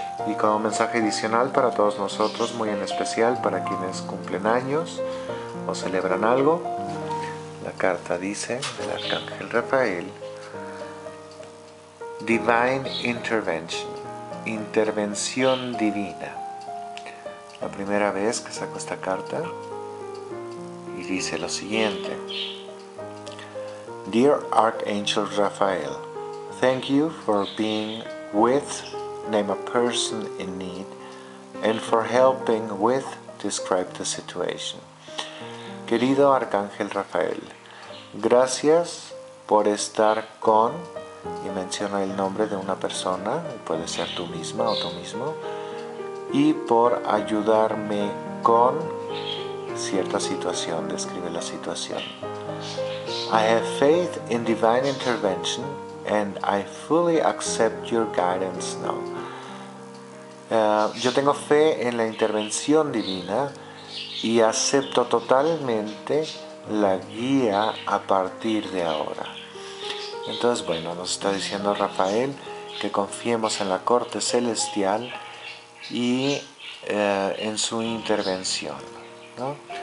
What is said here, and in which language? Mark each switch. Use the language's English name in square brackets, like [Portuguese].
[Spanish] Y como mensaje adicional para todos nosotros, muy en especial para quienes cumplen años o celebran algo, la carta dice del Arcángel Rafael, Divine Intervention, intervención divina. La primera vez que saco esta carta y dice lo siguiente. [English] Dear Archangel Raphael, thank you for being with name a person in need and for helping with describe the situation. [Spanish] Querido Arcángel Rafael, gracias por estar con, y menciona el nombre de una persona, puede ser tú misma o tú mismo, y por ayudarme con cierta situación, describe la situación. [English] I have faith in divine intervention and I fully accept your guidance now. [Spanish] Yo tengo fe en la intervención divina y acepto totalmente la guía a partir de ahora. Entonces, bueno, nos está diciendo Rafael que confiemos en la corte celestial y en su intervención, ¿no?